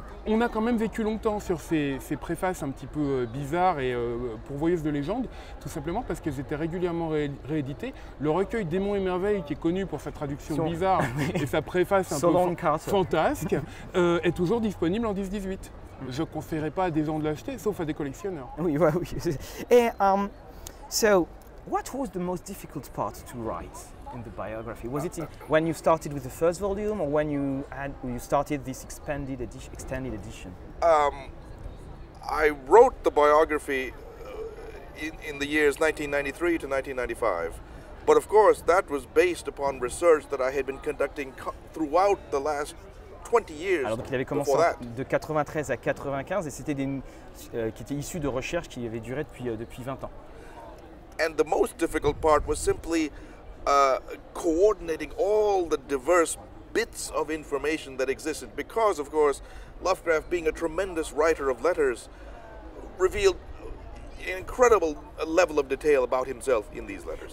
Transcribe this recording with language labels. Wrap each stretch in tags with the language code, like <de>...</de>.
<fr>On a quand même vécu longtemps sur ces préfaces un petit peu bizarres et pourvoyeuses de légendes, tout simplement parce qu'elles étaient régulièrement rééditées. Le recueil Démons et Merveilles, qui est connu pour sa traduction bizarre et sa préface un peu fantasque, est toujours disponible en 10-18. Je ne conseillerais pas à des gens de l'acheter, sauf à des collectionneurs. Oui, oui. Oui.</fr> <en>Et, so, what was the most difficult part to write in the biography? Was it when you started with the first volume, or when you started this extended edition? I wrote the biography in the years 1993 to 1995, but of course that was based upon research that I had been conducting throughout the last 20 years.</en> <fr>Alors, il avait commencé de 93 à 95, et c'était qui était issu de recherches qui avaient duré depuis 20 ans.</fr> <en>And the most difficult part was simply coordinating all the diverse bits of information that existed, because of course Lovecraft, being a tremendous writer of letters, revealed an incredible level of detail about himself in these letters.</en>